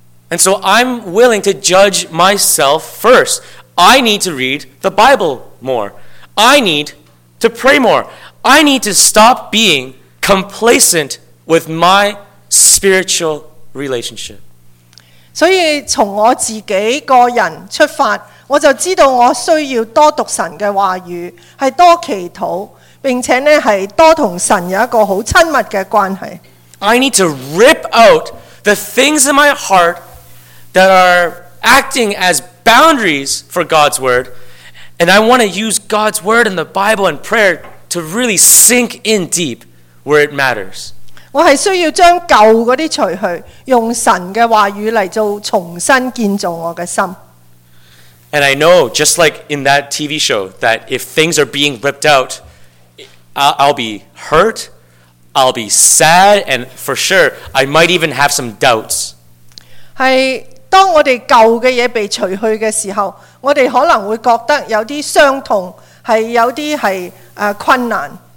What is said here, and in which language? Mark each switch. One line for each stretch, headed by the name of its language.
English: And so, I'm willing to judge myself first. I need to read the Bible more. I need to pray more. I need to stop being complacent with my spiritual relationship.
Cantonese: 所以从我自己个人出发，我就知道我需要多读神的话语，是多祈祷，并且呢是多同神有一个好亲密的关系。
English: I need to rip out the things in my heart that are acting as boundaries for God's word, and I want to use God's word and the Bible and prayer to really sink in deep where it matters.
Cantonese: 我是需要将旧嗰啲除去，用神嘅话语嚟做重新建造我嘅心。
English: And I know, just like in that TV show, that if things are being ripped out, I'll be hurt, I'll be sad, and for sure, I might even have some doubts.
Cantonese: 系当我哋旧嘅嘢被除去嘅时候，我哋可能会觉得有啲伤痛，系有啲系困难。